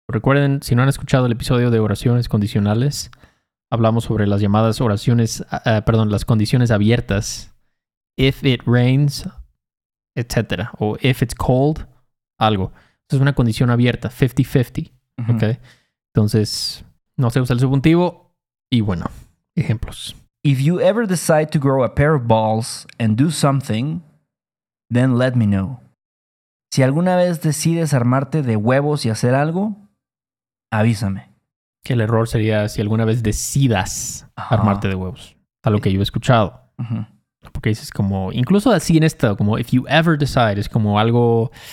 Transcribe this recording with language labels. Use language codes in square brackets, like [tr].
[es] Recuerden, si no han escuchado el episodio de oraciones condicionales, hablamos sobre las llamadas las condiciones abiertas. [en] If it rains, etc. [es] O [en] if it's cold, algo. [es] Es una condición abierta, 50-50. Uh-huh. Okay. Entonces, no se usa el subjuntivo. Y bueno, ejemplos. [en] If you ever decide to grow a pair of balls and do something, then let me know. [es] Si alguna vez decides armarte de huevos y hacer algo, avísame. Que el error sería si alguna vez decidas uh-huh. armarte de huevos. A lo que yo he escuchado. Uh-huh. Porque dices como, incluso así en esto, como [en] if you ever decide, [es] es como algo.